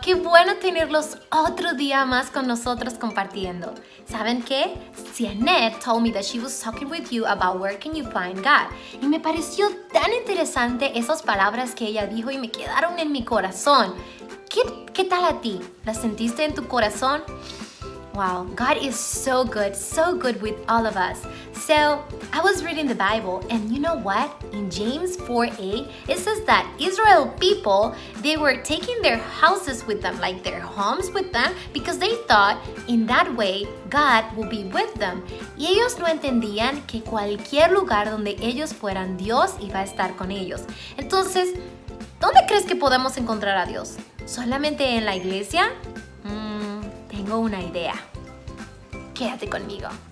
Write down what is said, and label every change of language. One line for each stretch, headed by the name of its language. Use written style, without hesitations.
Spanish: Qué bueno tenerlos otro día más con nosotros compartiendo. ¿Saben qué?
English: Sianet told me that she was talking with you about where can you find God.
Spanish: Y me pareció tan interesante esas palabras que ella dijo y me quedaron en mi corazón. ¿Qué tal a ti? ¿Las sentiste en tu corazón?
English: Wow, God is so good with all of us. So, I was reading the Bible, and you know what? In James 4:8, it says that Israel people, they were taking their houses with them, like their homes with them, because they thought, in that way, God will be with them.
Spanish: Y ellos no entendían que cualquier lugar donde ellos fueran, Dios iba a estar con ellos. Entonces, ¿dónde crees que podemos encontrar a Dios? ¿Solamente en la iglesia? Tengo una idea. Quédate conmigo.